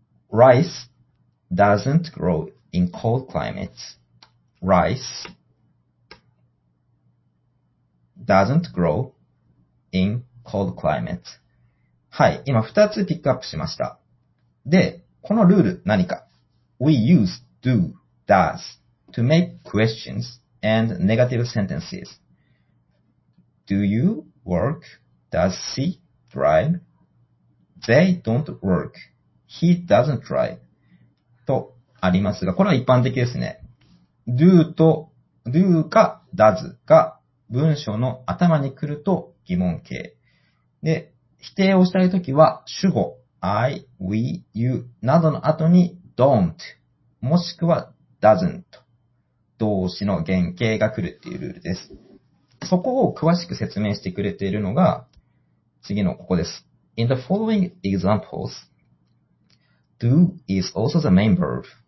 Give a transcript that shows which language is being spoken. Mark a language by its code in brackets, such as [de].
[en] Rice doesn't grow in cold climates. Rice doesn't grow in cold climates. [ja] はい、今2つピックアップしました。で、このルール何か。 [en] We use do, does to make questions and negative sentences. Do you work? Does she drive? They don't work. He doesn't try [ja] とありますが、これは一般的ですね。 do と、do か does が文章の頭に来ると疑問形。で、否定をしたいときは主語、I, we, you などの後に don't もしくは doesn't 動詞の原形が来るっていうルールです。そこを詳しく説明してくれているのが、次のここです。 [en] In the following examples,Do is also the main verb.